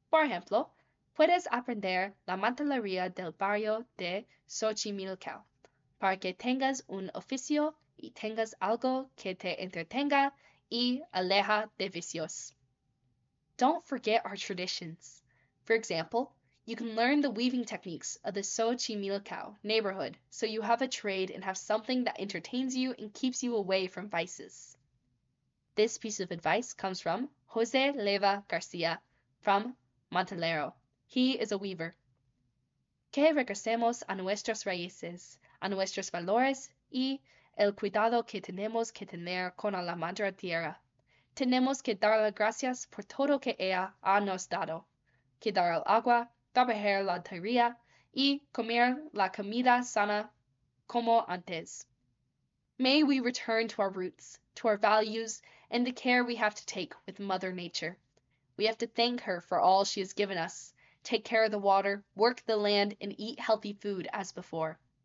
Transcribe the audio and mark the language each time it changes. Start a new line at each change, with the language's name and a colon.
Spanish: Por ejemplo, puedes aprender la mantelería del barrio de Xochimilco para que tengas un oficio y tengas algo que te entretenga y aleja de vicios.
English: Don't forget our traditions. For example, you can learn the weaving techniques of the Xochimilco neighborhood so you have a trade and have something that entertains you and keeps you away from vices. This piece of advice comes from Jose Leva Garcia from Montalero. He is a weaver.
Spanish: Que regresemos a nuestras raíces, a nuestros valores y el cuidado que tenemos que tener con la madre tierra. Tenemos que darle gracias por todo que ella ha nos dado. Cuidar el agua, trabajar la tierra y comer la comida sana como antes.
English: May we return to our roots, to our values, and the care we have to take with Mother Nature. We have to thank her for all she has given us. Take care of the water, work the land, and eat healthy food as before.